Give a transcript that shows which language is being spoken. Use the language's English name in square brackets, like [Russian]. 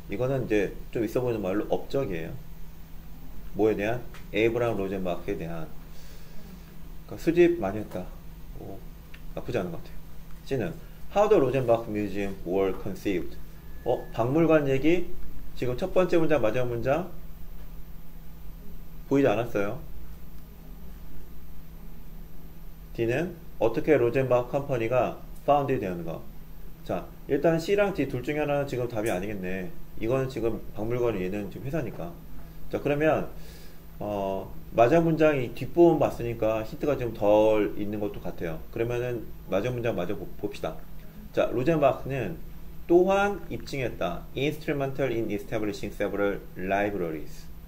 [Korean] 이거는 이제 좀 있어 보이는 말로 업적이에요. 뭐에 대한? 에이브람 로젠바흐에 대한. 그러니까 수집 많이 했다. 오, 나쁘지 않은 것 같아요. [English] C는 How the Rosenbach Museum were conceived. [Korean] 박물관 얘기? 지금 첫 번째 문장, 마지막 문장? 보이지 않았어요. D는 어떻게 로젠바흐 컴퍼니가 파운드 되었는가? 자, 일단 C랑 D 둘 중에 하나는 지금 답이 아니겠네. 이거는 지금 박물관이 얘는 지금 회사니까. 자, 그러면 마지막 문장이 뒷부분 봤으니까 힌트가 지금 덜 있는 것도 같아요. 그러면은 마지막 문장 마저 봅시다. 자, 로젠바흐는 또한 입증했다. [English] Instrumental in establishing several libraries.